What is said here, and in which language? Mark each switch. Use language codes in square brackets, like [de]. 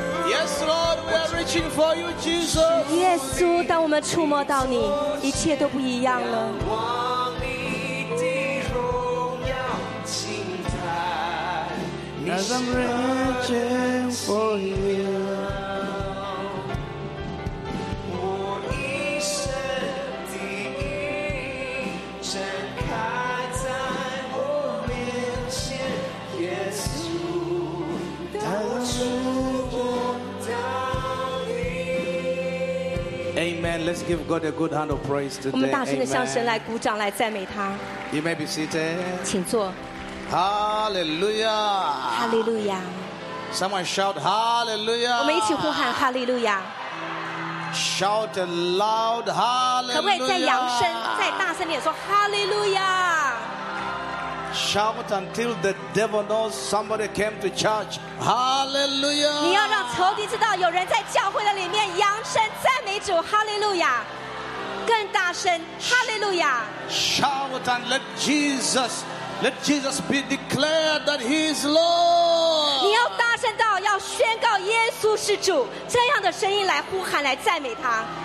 [en] Yes, Lord, we are reaching for you, Jesus. [zh] 耶稣，当我们触摸到你，一切都不一样了。望你的荣耀倾台。 [en] As I'm reaching for you. Let's give God a good hand of praise today. [zh] 我们大声地向神来鼓掌，来赞美他。 [en] You may be seated. [zh] 请坐。 [en] Hallelujah. Hallelujah. Someone shout Hallelujah. [zh] 我们一起呼喊 Hallelujah. [en] Shout loud Hallelujah. [zh] 可不可以再扬声，再大声点说 Hallelujah? [en] Shout until the devil knows somebody came to church. Hallelujah! [zh] 你要让仇敌知道有人在教会的里面扬声赞美主。 [en] Hallelujah! [zh] 更大声。 [en] Hallelujah! Shout and let Jesus be declared that He is Lord. [zh] 你要大声到要宣告耶稣是主，这样的声音来呼喊来赞美他。